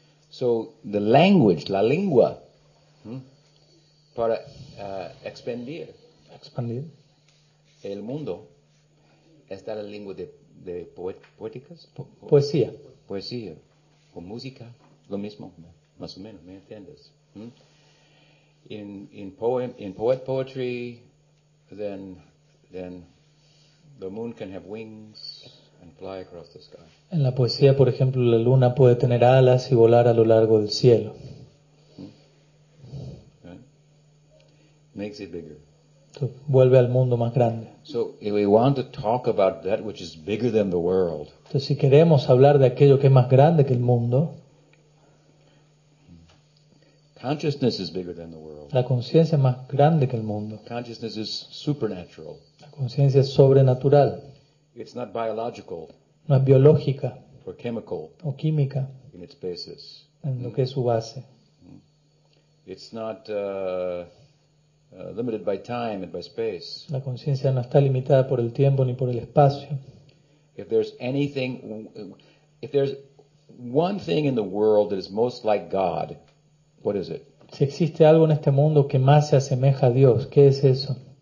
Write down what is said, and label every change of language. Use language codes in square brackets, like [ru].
[en] So the language, [es] la lengua, para expandir el mundo, está la lengua de poéticas. Poesía. Poesía. O música, lo mismo, más o menos, ¿me entiendes? [en] In poetry, then the moon can have wings and fly across the sky. [es] En la poesía, por ejemplo, la luna puede tener alas y volar a lo largo del cielo. [en] Right. Makes it bigger. [es] Vuelve al mundo más grande. [en] So if we want to talk about that which is bigger than the world. [es] Entonces, si queremos hablar de aquello que es más grande que el mundo, [en] consciousness is bigger than the world. [es] La conciencia es más grande que el mundo. [en] Consciousness is supernatural. [es] La conciencia es sobrenatural. [en] It's not biological. [es] No es biológica. [en] Or chemical. [es] O química. [en] In its basis. [es] En lo que es su base. [en] It's not limited by time and by space. [es] La conciencia no está limitada por el tiempo ni por el espacio. [en] If there's anything, if there's one thing in the world that is most like God, what is it? [es] Si existe algo en este mundo que más se asemeja a Dios, ¿qué es eso?